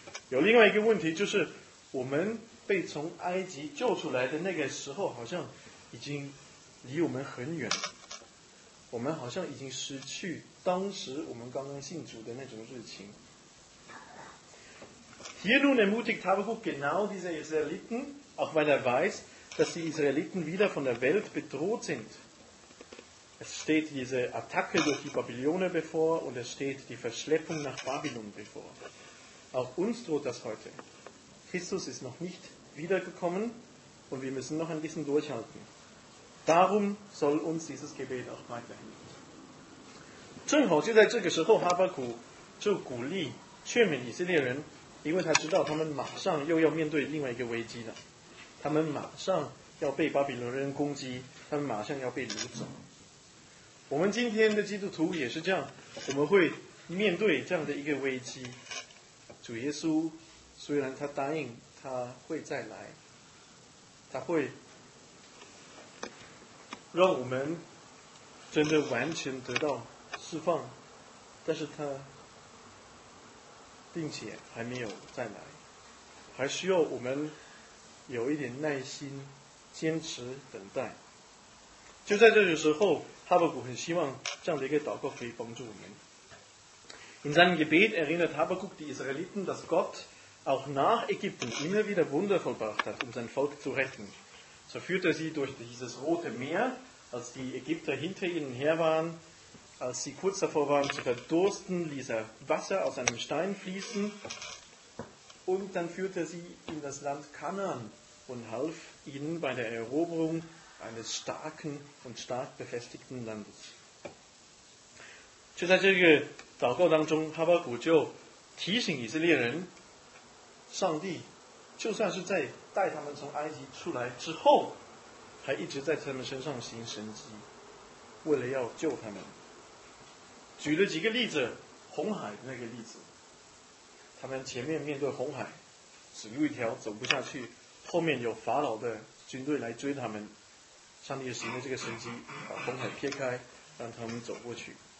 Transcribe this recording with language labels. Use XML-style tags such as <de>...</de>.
<zh>有另外一个问题，就是我们被从埃及救出来的那个时候，好像已经离我们很远，我们好像已经失去当时我们刚刚信主的那种热情。</zh> <de>Hier nun ermutigt Habakkuk genau diese Israeliten, auch weil er weiß, dass die Israeliten wieder von der Welt bedroht sind. Es steht diese Attacke durch die Babylone bevor und es steht die Verschleppung nach Babylon bevor. Auch uns droht das heute. Christus ist noch nicht wiedergekommen und wir müssen noch ein bisschen durchhalten. Darum soll uns dieses Gebet auch weiterhin.</de> <zh>正好就在这个时候，哈巴谷就鼓励劝勉以色列人，因为他知道他们马上又要面对另外一个危机了。他们马上要被巴比伦人攻击，他们马上要被掳走。我们今天的基督徒也是这样，我们会面对这样的一个危机。主耶稣虽然他答应他会再来，他会让我们真的完全得到释放，但是他并且还没有再来，还需要我们有一点耐心，坚持等待。就在这个时候，哈巴谷很希望这样的一个祷告可以帮助我们。</zh> <de>In seinem Gebet erinnert Habakkuk die Israeliten, dass Gott auch nach Ägypten immer wieder Wunder vollbracht hat, um sein Volk zu retten. So führte er sie durch dieses Rote Meer, als die Ägypter hinter ihnen her waren. Als sie kurz davor waren zu verdursten, ließ er Wasser aus einem Stein fließen. Und dann führte er sie in das Land Kanaan, und half ihnen bei der Eroberung eines starken und stark befestigten Landes.</de> <zh>就在这个祷告当中，哈巴谷就提醒以色列人，上帝就算是在带他们从埃及出来之后，还一直在他们身上行神迹，为了要救他们。举了几个例子，红海的那个例子，他们前面面对红海，只有一条走不下去，后面有法老的军队来追他们，上帝使用这个神迹把红海撇开，让他们走过去。</zh>